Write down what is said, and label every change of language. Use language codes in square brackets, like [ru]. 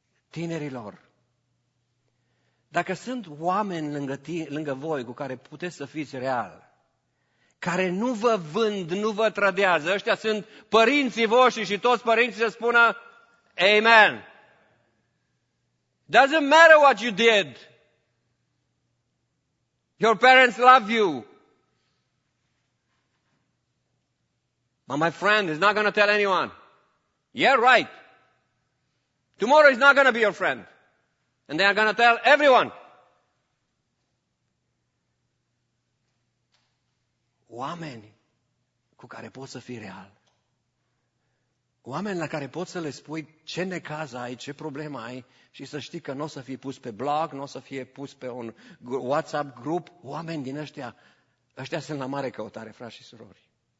[ro] Tinerilor, dacă sunt oameni lângă voi cu care puteți să fiți real, care nu vă vând, nu vă trădează, ăștia sunt părinții voștri și toți părinții să spună amen. [en] Doesn't matter what you did. Your parents love you. But my friend is not going to tell anyone. Yeah, right. Tomorrow is not going to be your friend. And they are going to tell everyone. [ro] Oameni cu care poți să fii real. Oameni la care poți să le spui ce necaz ai, ce problemă ai și să știi că nu o să fie pus pe blog, nu o să fie pus pe un WhatsApp grup. Oameni din ăștia, ăștia sunt la mare căutare, frați și surori.